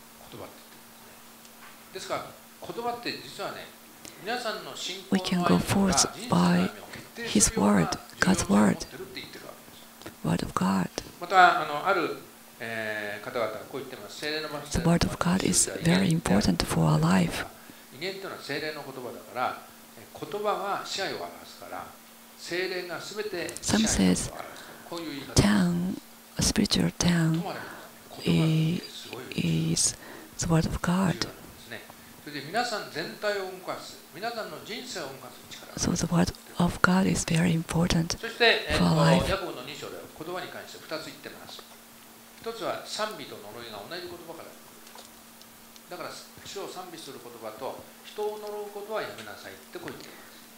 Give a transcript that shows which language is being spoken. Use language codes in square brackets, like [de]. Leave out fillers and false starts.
[ja] 言葉って言ってる。ですから言葉って実はね、皆さんの信仰の [en] We can go forth by His word, God's word, word of God. [ja] また ある方々はこう言ってます。聖霊の場所。 [en] The word of God is very important for our life. [ja] 威厳というのは聖霊の言葉だから、言葉は支配を表すから、聖霊がすべて支配を表す。 [en] Some says, tongue, spiritual tongue, is the word of God. [ja] それで皆さん全体を動かす、皆さんの人生を動かす力。 [en] So the word of God is very important for life. [ja] ヤコブの2章では言葉に関して2つ言ってます。一つは賛美と呪いが同じ言葉から来る。だから主を賛美する言葉と人を呪うことはやめなさいってこう言ってます。